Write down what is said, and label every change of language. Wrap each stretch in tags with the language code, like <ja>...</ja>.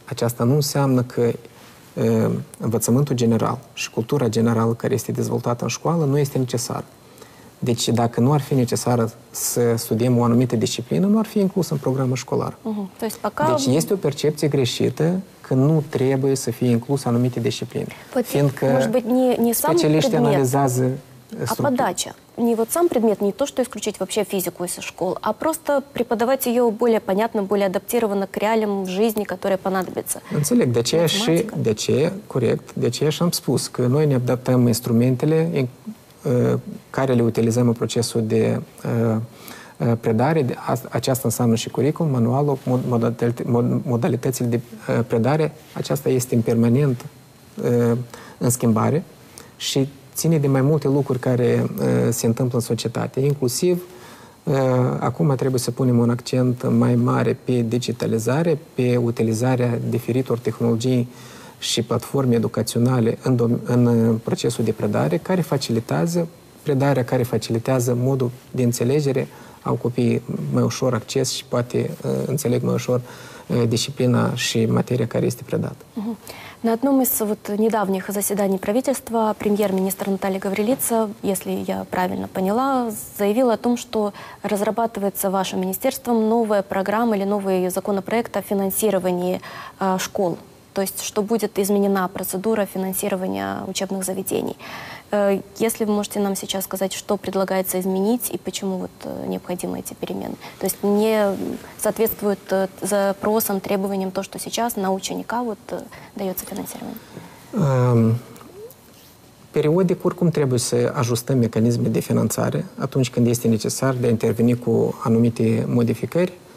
<ro>Aceasta nu înseamnă că învățământul general și cultura generală care este dezvoltată în școală nu este necesară. Deci dacă nu ar fi necesară să studiem o anumită disciplină, nu ar fi inclusă în programul școlar. Deci este o percepție greșită că nu trebuie să fie inclusă anumite discipline. Poate, fiindcă specialiștii analizează structura.</ro> <ru>A подача. Не вот сам предмет, не то, что исключить вообще физику из школ, а просто преподавать ее более понятно, более адаптированно к реалиям в жизни, которые понадобятся.</ru> <ro>Înțeleg, de aceea și, de aceea, corect, de aceea și am spus că noi ne adaptăm instrumentele care le utilizăm în procesul de predare. Aceasta înseamnă și curriculum, manualul, modalitățile de predare. Aceasta este în permanent în schimbare și ține de mai multe lucruri care se întâmplă în societate. Inclusiv, acum trebuie să punem un accent mai mare pe digitalizare, pe utilizarea diferitor tehnologii și platforme educaționale în procesul de predare, care facilitează predarea, care facilitează modul de înțelegere, au copiii mai ușor acces și poate înțeleg mai ușor disciplina și materia care este predată.</ro> <ru>На одном из вот недавних заседаний правительства премьер-министр Наталья Гаврилица, если я правильно поняла, заявила о том, что разрабатывается вашим министерством новая программа или новый законопроект о финансировании школ. То есть, что будет изменена процедура финансирования учебных заведений. Если вы можете нам сейчас сказать, что предлагается изменить и почему вот необходимы эти перемены. То есть, не соответствует запросам, требованиям то, что сейчас на ученика вот дается финансирование.</ru> <ro>Perioade, oricum trebuie să ajustăm mecanisme de finanțare atunci când este necesar de a interveni cu anumite modificări.</ro>